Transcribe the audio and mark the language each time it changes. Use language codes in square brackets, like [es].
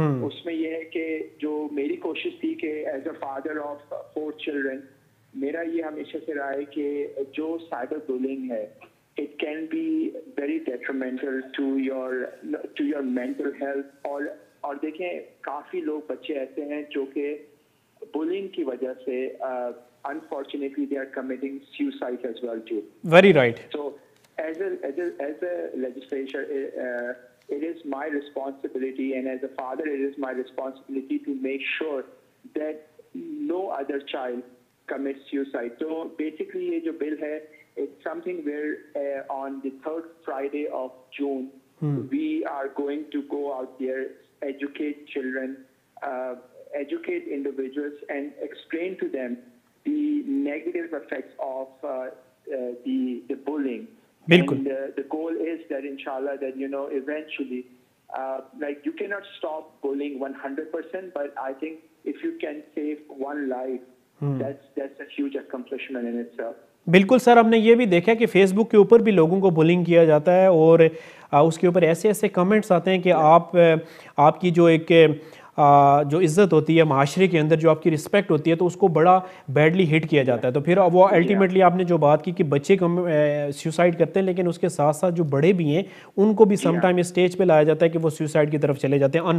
[hi] उसमें ये है कि जो मेरी कोशिश थी कि [en] as a father of four children, [hi] मेरा ये हमेशा से राय है कि जो साइबर बुलिंग है [en] It can be very detrimental to your mental health. [hi] और देखें, काफ़ी लोग बच्चे ऐसे हैं जो कि बुलिंग की वजह से [en] unfortunately they are committing suicide as well too. Very right. So as a legislature, it is my responsibility, and as a father it is my responsibility to make sure that no other child commits suicide. So basically [hi] ye jo bill hai, [en] it's something where on the third Friday of June we are going to go out there, educate children, educate individuals and explain to them the negative effects of the bullying. [hi] Bilkul. [en] And the goal is that inshallah that you know eventually like you cannot stop bullying 100%, but I think if you can save one life that's a huge accomplishment in itself. [hi] बिल्कुल sir, हमने ये भी देखा है कि Facebook के ऊपर भी लोगों को बुलिंग किया जाता है और उसके ऊपर ऐसे ऐसे कमेंट्स आते हैं कि आपकी जो एक जो इज्जत होती है माशरे के अंदर, जो आपकी रिस्पेक्ट होती है, तो उसको बड़ा बैडली हिट किया जाता है। तो फिर वो अल्टीमेटली आपने जो बात की कि बच्चे सुसाइड करते हैं, लेकिन उसके साथ साथ जो बड़े भी हैं उनको भी समटाइम इस स्टेज पे लाया जाता है कि वो सुसाइड की तरफ चले जाते हैं।